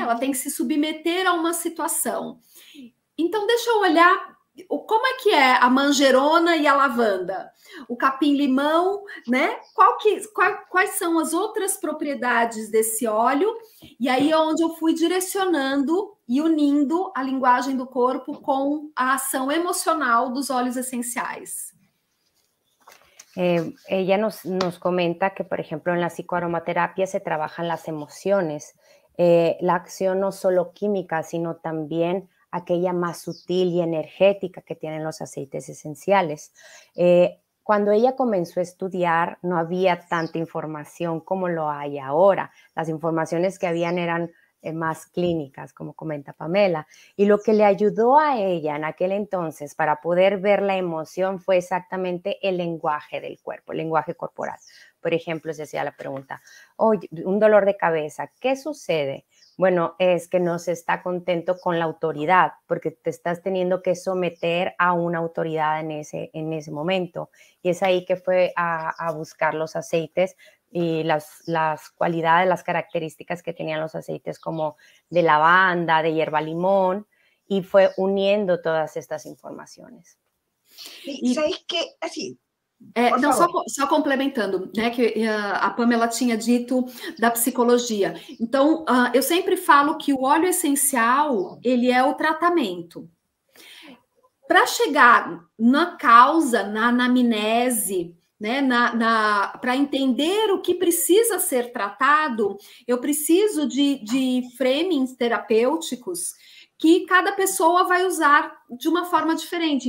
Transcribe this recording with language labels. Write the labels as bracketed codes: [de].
[pt] Ela tem que se submeter a uma situação. Então, deixa eu olhar como é que é a manjerona e a lavanda, o capim-limão, né? Quais são as outras propriedades desse óleo? E aí é onde eu fui direcionando e unindo a linguagem do corpo com a ação emocional dos óleos essenciais. [es] Ella nos comenta que, por ejemplo, en la psicoaromaterapia se trabajan las emociones, la acción no solo química, sino también aquella más sutil y energética que tienen los aceites esenciales. Cuando ella comenzó a estudiar, no había tanta información como lo hay ahora. Las informaciones que habían eran más clínicas, como comenta Pamela. Y lo que le ayudó a ella en aquel entonces para poder ver la emoción fue exactamente el lenguaje del cuerpo, el lenguaje corporal. Por ejemplo, se hacía la pregunta, oye, un dolor de cabeza, ¿qué sucede? Bueno, es que no se está contento con la autoridad porque te estás teniendo que someter a una autoridad en ese momento. Y es ahí que fue a buscar los aceites y las cualidades, las características que tenían los aceites como de lavanda, de hierba limón, y fue uniendo todas estas informaciones. Y sabes que así... [pt] Não, só complementando, né, que a Pamela tinha dito da psicologia. Então, eu sempre falo que o óleo essencial, ele é o tratamento. Para chegar na causa, na anamnese, né, para entender o que precisa ser tratado, eu preciso de framings terapêuticos que cada pessoa vai usar de uma forma diferente.